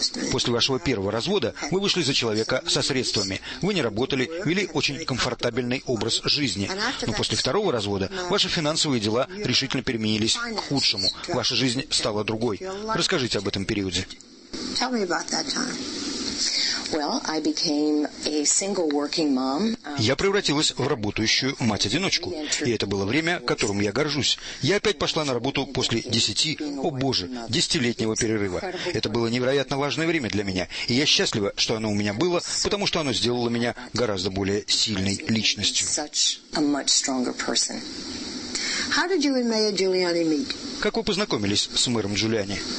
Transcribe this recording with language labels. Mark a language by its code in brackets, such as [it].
[ru] После вашего первого развода вы вышли за человека со средствами. Вы не работали, вели очень комфортабельный образ жизни. Но после второго развода ваши финансовые дела решительно переменились к худшему. Ваша жизнь стала другой. Расскажите об этом периоде. [en] Tell me about that time. Well, I became a single working mom. [ru] Я превратилась в работающую мать-одиночку. И это было время, которым я горжусь. Я опять пошла на работу после 10-летнего перерыва. Это было невероятно важное время для меня. И я счастлива, что оно у меня было, потому что оно сделало меня гораздо более сильной личностью. [en] Such a much stronger person. How did you and Mayor Giuliani meet? [ru] Как вы познакомились с мэром Джулиани?